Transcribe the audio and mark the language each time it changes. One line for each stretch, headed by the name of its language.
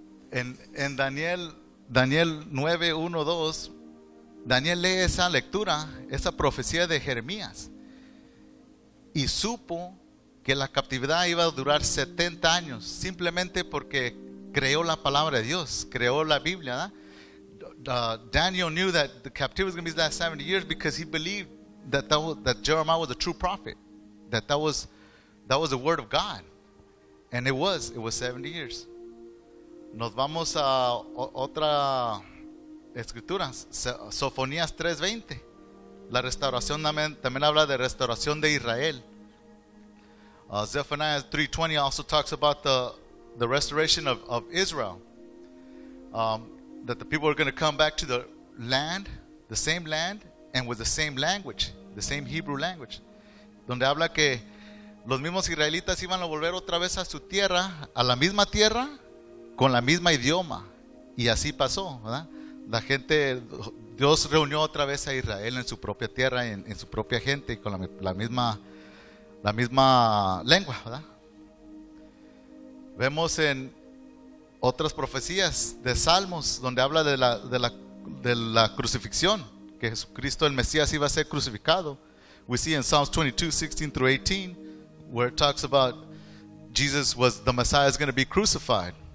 Spanish: En Daniel 9:1-2, Daniel lee esa lectura, esa profecía de Jeremías, y supo que la captividad iba a durar 70 años, simplemente porque creyó la palabra de Dios, creyó la Biblia, ¿verdad?
English: Daniel knew that the captivity was going to be that 70 years because he believed that Jeremiah was a true prophet, that was the word of God. And it was 70 years.
Spanish: Nos vamos a otra escritura, Sofonías 3:20. La restauración también habla de restauración de Israel.
English: Zephaniah 3:20 also talks about the restoration of Israel. That the people are going to come back to the land, the same land, and with the same language, the same Hebrew language.
Spanish: Donde habla que los mismos israelitas iban a volver otra vez a su tierra, a la misma tierra, con la misma idioma. Y así pasó, ¿verdad? La gente, Dios reunió otra vez a Israel en su propia tierra, en su propia gente, con la misma lengua, ¿verdad? Vemos en otras profecías de Salmos, donde habla de la crucifixión, que Jesucristo, el Mesías, iba a ser crucificado.
English: We see in Psalms 22:16-18, where it talks about Jesus was the Messiah is going to be crucified.